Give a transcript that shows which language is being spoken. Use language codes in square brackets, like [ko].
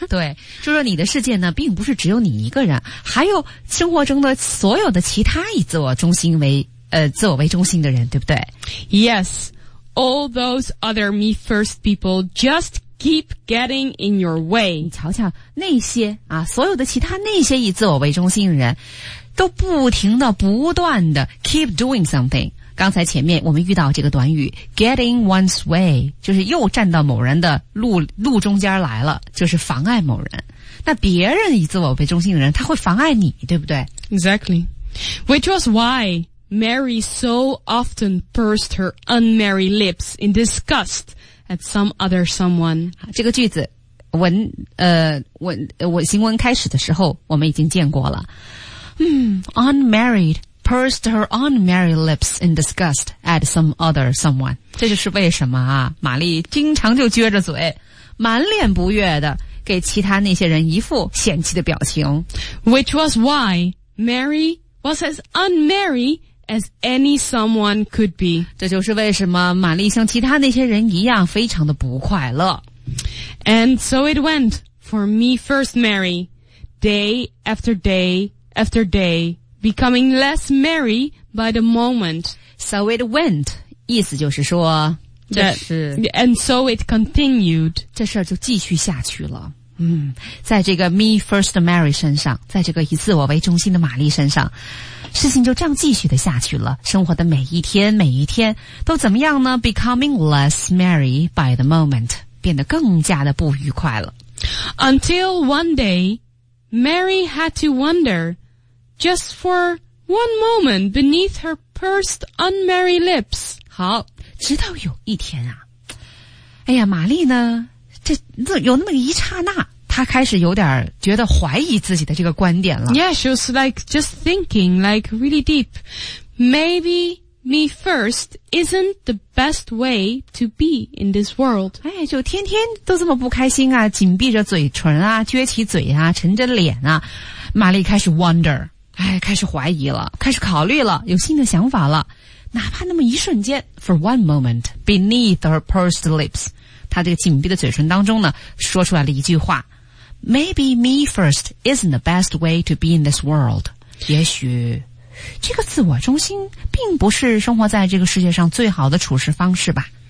[zh] 对，就说你的世界呢并不是只有你一个人，还有生活中的所有的其他以自我中心为自我为中心的人，对不对？ [en] Yes. All those other me first people just keep getting in your way. [zh] 你瞧瞧那些啊，所有的其他那些以自我为中心的人都不停的不断的 [en] keep doing something. [zh] 刚才前面我们遇到这个短语 [en] getting one's way, [zh] 就是又站到某人的路中间来了，就是妨碍某人。那别人以自我为中心的人他会妨碍你，对不对？ [en] Exactly. Which was why Mary so often pursed her unmarried lips in disgust. At some other someone. [zh] 这个句子文行文开始的时候我们已经见过了。 [en] Unmarried, pursed her unmarried lips in disgust at some other someone. [zh] 这就是为什么啊，玛丽经常就撅着嘴满脸不悦的给其他那些人一副嫌弃的表情。 [en] Which was why Mary was as unmarried as any someone could be. [zh] 这就是为什么玛丽像其他那些人一样非常的不快乐。 [en] And so it went for me first Mary, day after day after day, becoming less Mary by the moment. So it went, [zh] 意思就是说这是 [en] And so it continued. [zh] 这事儿就继续下去了。在这个 [en] me first Mary [zh] 身上，在这个以自我为中心的玛丽身上，事情就这样继续的下去了。生活的每一天每一天都怎么样呢？ [en] Becoming less Mary by the moment, [zh] 变得更加的不愉快了。 [en] Until one day Mary had to wonder just for one moment beneath her pursed unmarried lips. [zh] 好，直到有一天啊，哎呀，玛丽呢这有那么一刹那，他开始有点觉得怀疑自己的这个观点了。 [en] Yeah, she was like just thinking like really deep. Maybe me first isn't the best way to be in this world. [zh] 哎，就天天都这么不开心啊，紧闭着嘴唇啊，撅起嘴啊，沉着脸啊，玛丽开始 wonder, 哎，开始怀疑了，开始考虑了，有新的想法了。哪怕那么一瞬间 , [en] for one moment, beneath her pursed lips, [zh] 他这个紧闭的嘴唇当中呢说出来了一句话。 [en] Maybe me first isn't the best way to be in this world. [zh] 也许这个自我中心并不是生活在这个世界上最好的处事方式吧。